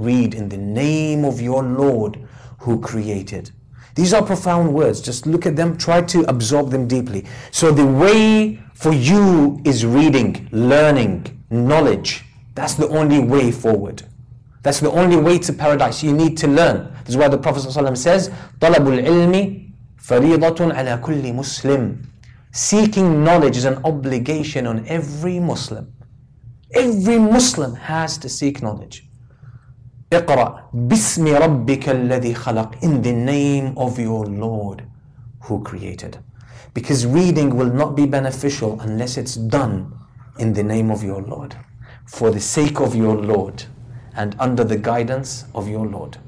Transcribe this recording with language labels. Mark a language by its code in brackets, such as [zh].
[en] Read in the name of your Lord who created. These are profound words. Just look at them, try to absorb them deeply. So the way for you is reading, learning, knowledge. That's the only way forward. That's the only way to paradise. You need to learn. This is why the Prophet ﷺ says, [ar] طلب العلم فريضة على كل مسلم. [en] Seeking knowledge is an obligation on every Muslim. Every Muslim has to seek knowledge. [ar] اقرأ بسم ربك الذي خلق. [en] In the name of your Lord who created. Because reading will not be beneficial unless it's done in the name of your Lord, for the sake of your Lord, and under the guidance of your Lord.